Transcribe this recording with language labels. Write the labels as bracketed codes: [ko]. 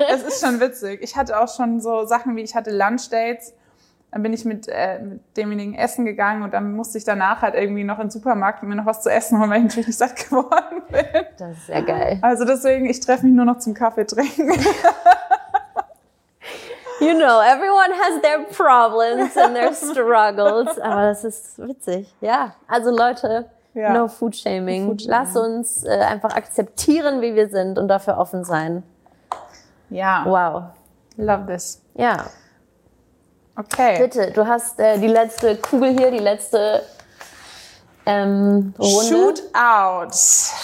[de] Es ist schon witzig. Ich hatte auch schon so Sachen wie, ich hatte Lunch-Dates. Dann bin ich mit demjenigen essen gegangen und dann musste ich danach halt irgendwie noch in den Supermarkt und mir noch was zu essen holen, weil ich natürlich nicht satt geworden bin. Das ist sehr geil. Also deswegen, ich treffe mich nur noch zum Kaffee trinken. [en] You know, everyone has their problems and their struggles. [de] Aber das ist witzig. Ja, also Leute, [en] no food shaming. [de] Lass uns einfach akzeptieren, wie wir sind und dafür offen sein. Ja. Wow. [en] Love this. [de] Ja. Okay. Bitte, du hast die letzte Kugel hier, die letzte [en] Shootout.